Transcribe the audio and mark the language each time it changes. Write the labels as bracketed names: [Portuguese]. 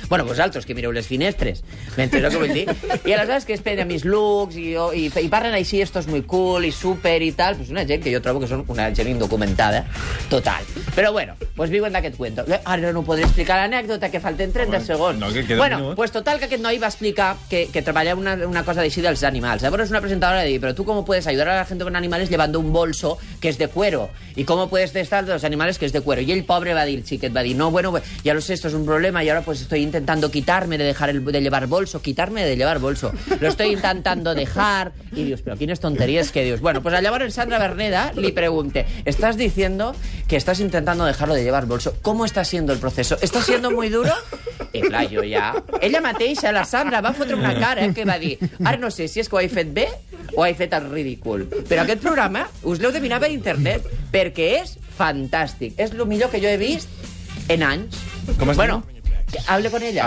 [Catalan] Bueno, vosaltres, que mireu les finestres. M'entens el que vull dir? I aleshores que es penja [Spanish] mis looks [Catalan] i parlen així, [Spanish] esto es muy cool [Catalan] i super i tal... Pues una gent que jo trobo que són una gent indocumentada total. Però bueno, pues viuen d'aquest cuento. Ara no podré explicar l'anècdota, que falten 30 segons. No, que queda bueno, pues total, que aquest noi va explicar que treballa una cosa d'així dels animals. Llavors una presentadora li diu, però tu [Spanish] com puedes ajudar a la gente con animales llevando un bolso que es de cuero? I com puedes estar de los animales que es de cuero? [Catalan] I el pobre va dir, [Spanish] xiquet, va dir, no, bueno, ya lo sé, esto es un problema y ahora pues estoy intentando quitarme de dejar de llevar bolso, quitarme de llevar bolso. Lo estoy intentando dejar. [Catalan] I dius, però quines tonteries que dius. Bueno, pues llavors Sandra Berneda li pregunta, [Spanish] estás diciendo que estás intentando dejarlo de llevar bolso. ¿Cómo está siendo el proceso? ¿Está siendo muy duro? [Catalan] I clar, jo ja... Ella mateixa, la Sandra, va fotre una cara que va dir, ara no sé si és que ho he fet bé o he fet el ridícul. Però aquest programa us l'heu de mirar per internet perquè és fantàstic. És el millor que jo he vist en anys. Com es diu? Hable con ellas.